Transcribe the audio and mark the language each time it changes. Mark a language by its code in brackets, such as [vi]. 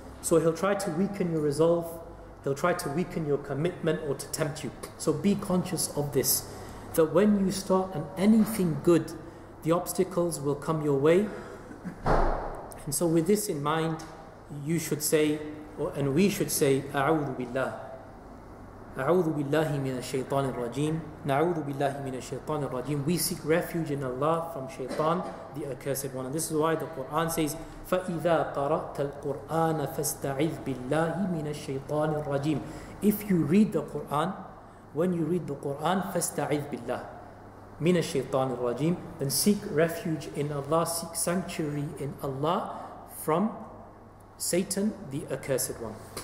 [en] So he'll try to weaken your resolve, he'll try to weaken your commitment, or to tempt you. So be conscious of this, that when you start on anything good, the obstacles will come your way. And so with this in mind, you should say, and we should say, [ar] أعوذ بالله. أعوذ بالله من الشيطان الرجيم. نعوذ بالله من الشيطان الرجيم. [en] We seek refuge in Allah from Shaytan, the accursed one. And this is why the Quran says, [ar] فَإِذَا قَرَأْتَ الْقُرْآنَ فَاسْتَعِذْ بِاللَّهِ مِنَ الشَّيْطَانِ الرَّجِيمِ. [en] If you read the Quran, when you read the Quran, [ar] فَاسْتَعِذْ بِاللَّهِ مِنَ الشَّيْطَانِ الرَّجِيمِ, [en] then seek refuge in Allah, seek sanctuary in Allah from Satan, the accursed one.